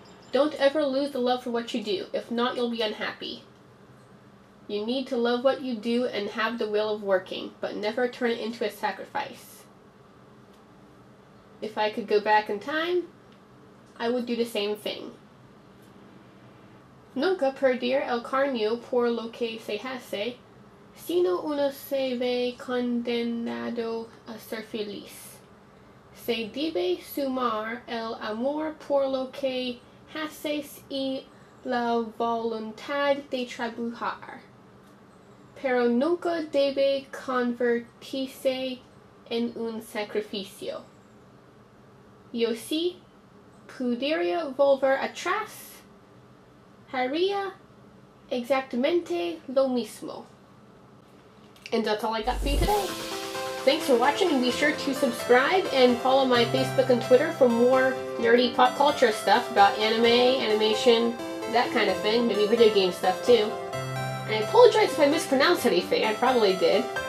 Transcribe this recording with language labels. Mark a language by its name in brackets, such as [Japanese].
[English] Don't ever lose the love for what you do, if not you'll be unhappy. You need to love what you do and have the will of working, but never turn it into a sacrifice. If I could go back in time, I would do the same thing. [Spanish] Nunca perder el carnio por lo que se hace, sino uno se ve condenado a ser feliz. Se debe sumar el amor por lo que haces y la voluntad de trabajar. Pero nunca debe convertirse en un sacrificio. Yo sí pudiera volver atrás, haría exactamente lo mismo. [English] And that's all I got for you today. Thanks for watching, and be sure to subscribe and follow my Facebook and Twitter for more nerdy pop culture stuff about anime, animation, that kind of thing, maybe video game stuff too. And I apologize if I mispronounced anything, I probably did.